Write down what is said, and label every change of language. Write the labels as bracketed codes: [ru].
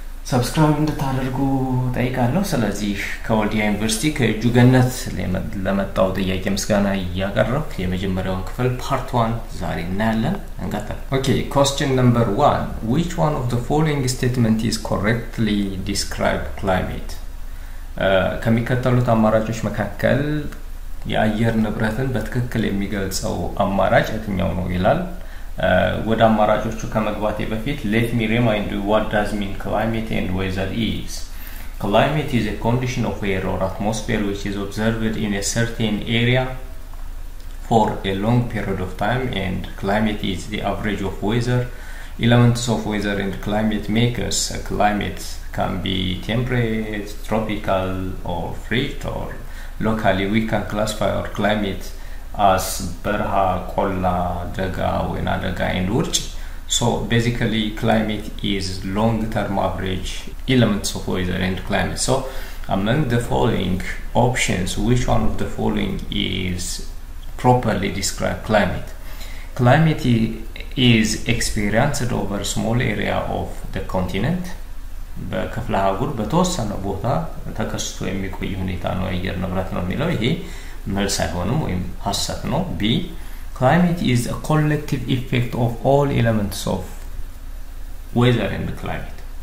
[am] ሰብስክራይብ እንድታደርጉ ጠይቃለሁ። ስለዚህ ከወልዲያ ዩኒቨርሲቲ ከእጁ ገነት ለመጣው ጥያቄ ምስጋና እያቀረብ የመጀመሪያውን ክፍል ፓርት 1 ዛሬ እናያለን። እንቀጥል። ኦኬ፣ [en] ኮስችን ነምበር 1 ዊች ዋን ኦፍ ዘ ፎሎዊንግ ስቴትመንት ኢዝ ኮሬክትሊ ዲስክራይብ ክላይሜት። [am] ከሚከተሉት አማራጮች መካከል የአየር ንብረትን በትክክል የሚገልጸው አማራጭ የትኛው ነው ይላል። ወደ አማራጮቹ ከመግባቴ በፊት [en] let me remind you what does mean climate and weather is. Climate is a condition of air or atmosphere which is observed in a certain area for a long period of time, and climate is the average of weather elements of weather and climate makers. A climate can be temperate, tropical, or frigid, or locally we can classify our climate as berha, kolla, daga, wena daga, and urch. So basically climate is long-term average elements of weather and climate. So among the following options, which one of the following is properly described climate? Climate is experienced over a small area of the continent. [am] በክፍለ ሀገር በተወሰነ ቦታ ተከስቶ የሚቆይ ሁኔታ ነው የአየር ንብረት ነው የሚለው ይሄ መልስ አይሆንም ወይም ሀሳብ ነው። [en] B, climate is a collective effect of all elements of weather and climate.